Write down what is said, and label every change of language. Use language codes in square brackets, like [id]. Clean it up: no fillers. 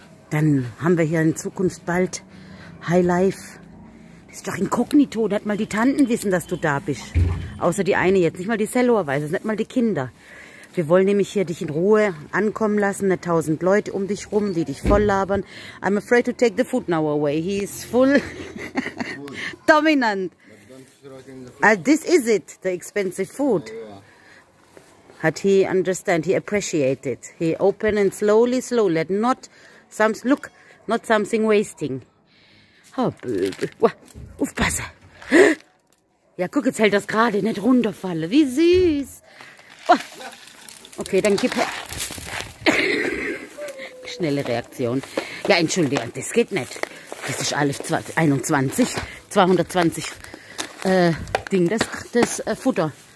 [de] Dann haben wir hier in Zukunft bald High Life. Das ist doch inkognito. Da hat mal die Tanten wissen, dass du da bist. Außer die eine jetzt, nicht mal die Cellor weiß es, nicht mal die Kinder. Wir wollen nämlich hier dich in Ruhe ankommen lassen, nicht 1000 Leute um dich rum, die dich voll labern. [en] I'm afraid to take the food now away. He is full dominant. This is it, the expensive food. Had he understand, he appreciated. He opened and slowly, slowly, not some, look, not something wasting. [de] Oh, Böbel. Aufpasse. Ja, guck, jetzt hält das gerade, nicht runterfalle. Wie süß. Oh. Okay, dann gib her. Schnelle Reaktion. Ja, entschuldige, das geht nicht. Das ist alles 21, 220 Ding, das Futter.